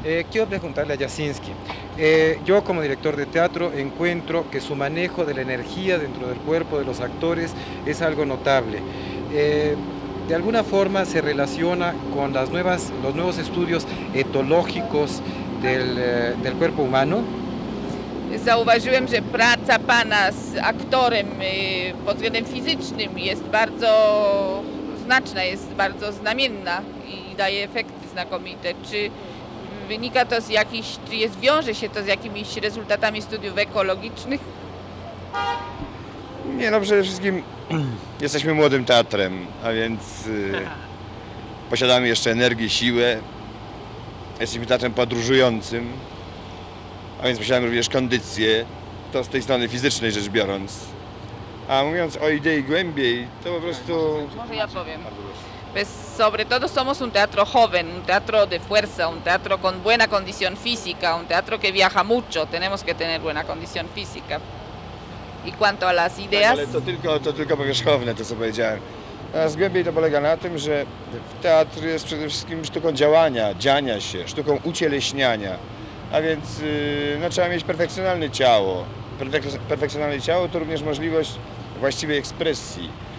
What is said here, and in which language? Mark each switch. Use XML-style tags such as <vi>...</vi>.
<es>Quiero preguntarle a Jasiński. Yo como director de teatro encuentro que su manejo de la energía dentro del cuerpo de los actores es algo notable. ¿De alguna forma se relaciona con los nuevos estudios etológicos del cuerpo humano?</es> <pl>Zauważyłem, że praca pana z aktorem pod względem fizycznym jest bardzo znaczna, jest bardzo znamienna i daje efekty znakomite. Czy wynika to z jakichś, czy jest, wiąże się to z jakimiś rezultatami studiów ekologicznych? Nie, no przede wszystkim jesteśmy młodym teatrem, a więc posiadamy jeszcze energię, siłę. Jesteśmy teatrem podróżującym, a więc posiadamy również kondycję, to z tej strony fizycznej rzecz biorąc. A mówiąc o idei głębiej, to po prostu... Może ja powiem.</pl> <es>Pues sobre todo somos un teatro joven, un teatro de fuerza, un teatro con buena condición física, un teatro que viaja mucho, tenemos que tener buena condición física. I quanto a las ideas...</es> <pl>Tak, ale to tylko powierzchowne, to co powiedziałem. A z głębiej to polega na tym, że teatr jest przede wszystkim sztuką działania, dziania się, sztuką ucieleśniania. A więc no, trzeba mieć perfekcjonalne ciało. Perfekcjonalne ciało to również możliwość właściwej ekspresji.</pl>